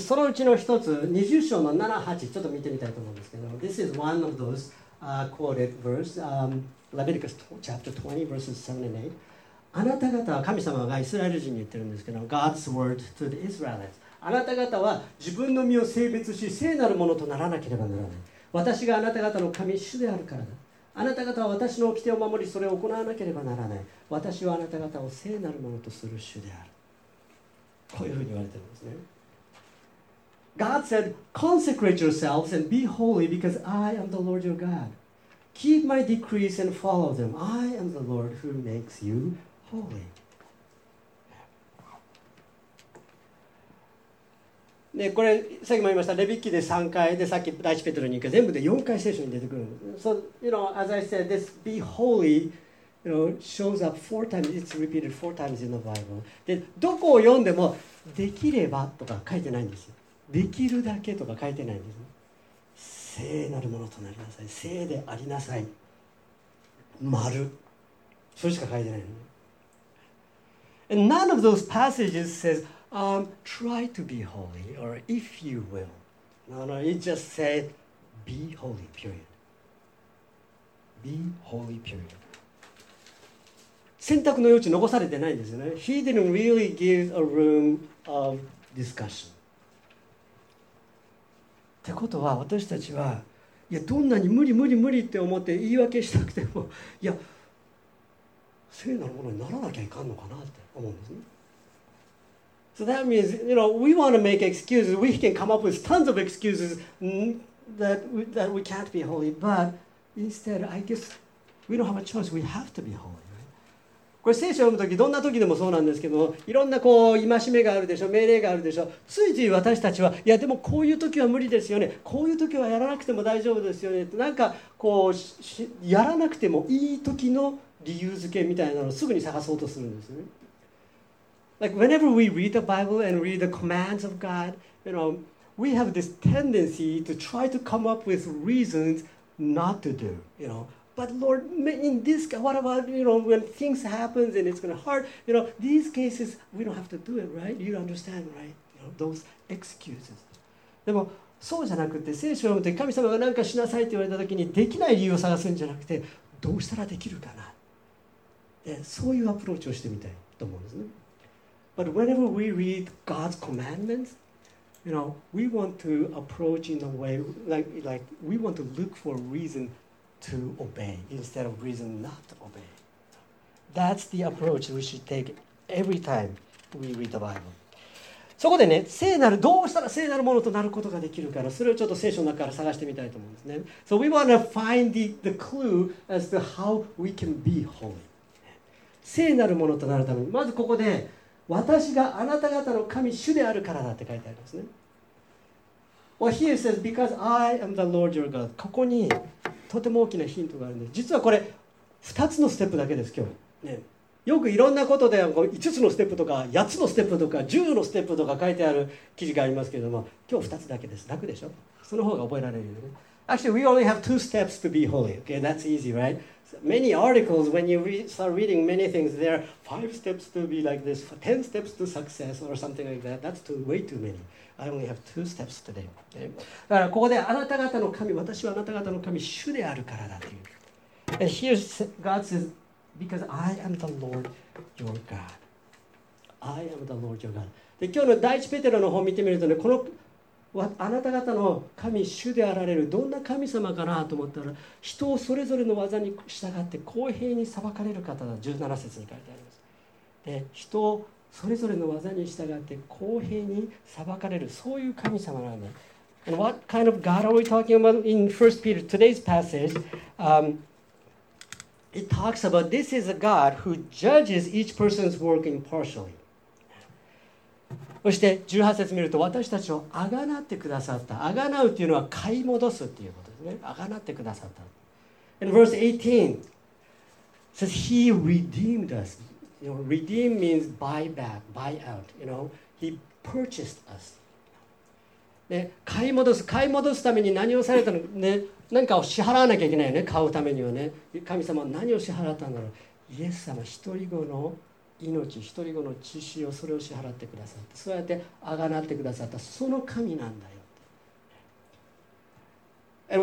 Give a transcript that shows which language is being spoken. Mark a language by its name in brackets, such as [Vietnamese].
[Japanese] そのうちの一つ20章の7、8ちょっと見てみたいと思うんですけど、 [English] This is one of those quoted verse、Leviticus chapter 20 verses 7 and 8。 [Japanese] あなた方は、神様がイスラエル人に言ってるんですけど、 [English] God's word to the Israelites、 [Japanese] あなた方は自分の身を性別し聖なるものとならなければならない。私があなた方の神主であるからだ。あなた方は私の掟を守りそれを行わなければならない。私はあなた方を聖なるものとする主である。こういうふうに言われてるんですね。 [English] God said, consecrate yourselves and be holy because I am the Lord your God. Keep my decrees and follow them. I am the Lord who makes you holy. [Japanese] ね、これさっきも言いました。レビ記で3回で、さっき第1ペテロに行く、全部で4回聖書に出てくる。 [English] So, you know, as I said, this be holy, you know, shows up four times. It's repeated four times in the Bible. [Japanese] で、どこを読んでもできればとか書いてないんですよ。できるだけとか書いてないんですね。聖なるものとなりなさい、聖でありなさい、丸、それしか書いてないの。 [English] And none of those passages says、try to be holy or if you will. No, no, it just said be holy, period. Be holy, period. [Japanese] 選択の余地残されてないんですよね。 [English] He didn't really give a room of discussion. [Japanese] ってことは、私たちは、いや、どんなに無理無理無理って思って言い訳したくても、いや、聖なるものにならなきゃいかんのかなって思うんですね。 [English] So that means, you know, we want to make excuses. We can come up with tons of excuses that we can't be holy. But instead, I guess we don't have a choice. We have to be holy. [Japanese] これ聖書を読むとき、どんなときでもそうなんですけども、いろんなこう戒めがあるでしょ、命令があるでしょ。ついつい私たちは、いやでもこういうときは無理ですよね、こういうときはやらなくても大丈夫ですよねって、なんかこうやらなくてもいいときの理由付けみたいなのをすぐに探そうとするんですね。 [English] Like whenever we read the Bible and read the commands of God, you know, we have this tendency to try to come up with reasons not to do, you know. But Lord, in this, what about, you know, when things happen and it's going to hurt, you know, these cases, we don't have to do it, right? You understand, right? You know, those excuses. [Japanese] でも、そうじゃなくて、聖書を読むと、神様が何かしなさいって言われたときに、できない理由を探すんじゃなくて、どうしたらできるかな。で、そういうアプローチをしてみたいと思うんですね。 [English] But whenever we read God's commandments, you know, we want to approach in a way, like we want to look for a reason. To obey instead of reason not to obey. That's the approach we should take every time we read the Bible. [Japanese] そこでね、聖なる、どうしたら聖なるものとなることができるかな、それをちょっと聖書の中から探してみたいと思うんですね。 [English] So we want to find the clue as to how we can be holy. [Japanese] 聖なるものとなるために、まずここで、私があなた方の神主であるからだって書いてありますね。 [English] Well, here it says, because I am the Lord your God. [Japanese] ここにとても大きなヒントがあるんです。実はこれ2つのステップだけです今日、ね、よくいろんなことでこう5つのステップとか8つのステップとか10のステップとか書いてある記事がありますけれども、今日2つだけです。楽でしょ、その方が覚えられるよね。 [English] Actually, we only have two steps to be holy. Okay, that's easy, right? Many articles, when you start reading many things, there are 5 steps to be like this, 10 steps to success or something like that. That's too, way too many. I only have two steps today. [Japanese] だからここであなた方の神、私はあなた方の神主であるからだという。 [English] And here God says, because I am the Lord your God. I am the Lord your God. [Japanese] で今日の第一ペテロの方を見てみるとね、このあなた方の神主であられるどんな神様かなと思ったら、人をそれぞれの技に従って公平に裁かれる方だ。 17節に書いてあります。で人をそれぞれの技に従って公平に裁かれる、そういう神様なんだ。 [English] And what kind of God are we talking about in 1 Peter? Today's passage, it talks about this is a God who judges each person's work impartially. [Japanese] そして18節見ると、私たちをあがなってくださった。あがなうっていうのは買い戻すっていうことですね。あがなってくださった。 [English] And verse 18 says, He redeemed us. You know, redeem means buy back, buy out. You know, He purchased us. [Japanese] ね、買い戻す、買い戻すために何をされたのね、何かを支払わなきゃいけないよね、買うためにはね。神様は何を支払ったんだろう。イエス様、一人子の命、一人子の血潮をそれを支払ってくださった。そうやってあがなってくださった、その神なんだよ。